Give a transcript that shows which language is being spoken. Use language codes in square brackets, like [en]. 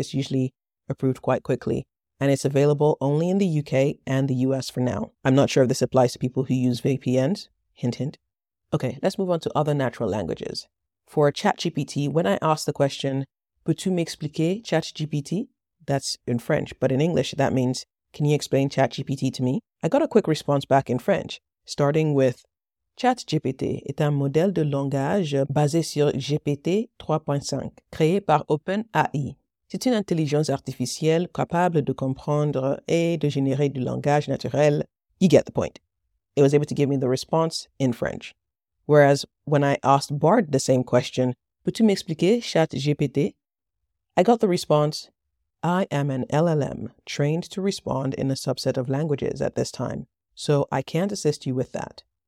[en] It's usually approved quite quickly, and it's available only in the UK and the US for now. I'm not sure if this applies to people who use VPNs. Hint, hint. Okay, let's move on to other natural languages. For ChatGPT, when I asked the question, [fr] peux-tu m'expliquer ChatGPT? [en] That's in French, but in English, that means, can you explain ChatGPT to me? I got a quick response back in French, starting with, [fr] ChatGPT est un modèle de langage basé sur GPT 3.5, créé par OpenAI. C'est une intelligence artificielle capable de comprendre et de générer du langage naturel. [en] You get the point. It was able to give me the response in French. Whereas when I asked Bard the same question, [fr] peux-tu m'expliquer ChatGPT? [en] I got the response, I am an LLM trained to respond in a subset of languages at this time, so I can't assist you with that.